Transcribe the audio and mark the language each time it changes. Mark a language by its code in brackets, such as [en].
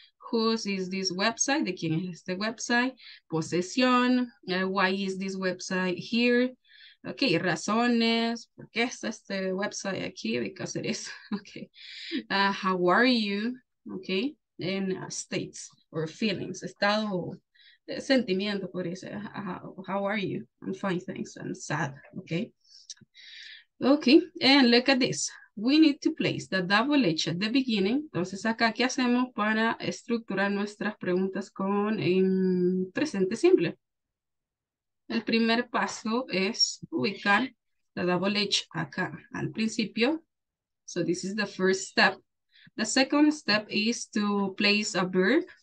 [en] whose is this website, [es] de quién es este website, [en] posesión, why is this website here, okay, razones, [es] por qué está este website aquí, [en] because it is, okay, how are you, okay, and states, or feelings, [es] estado, sentimiento, por eso, [en] how are you, I'm fine, thanks, I'm sad, okay. Okay, and look at this. We need to place the double H at the beginning. [es] Entonces, acá, ¿qué hacemos para estructurar nuestras preguntas con presente simple? El primer paso es ubicar la double H acá al principio. [en] So, this is the first step. The second step is to place a verb.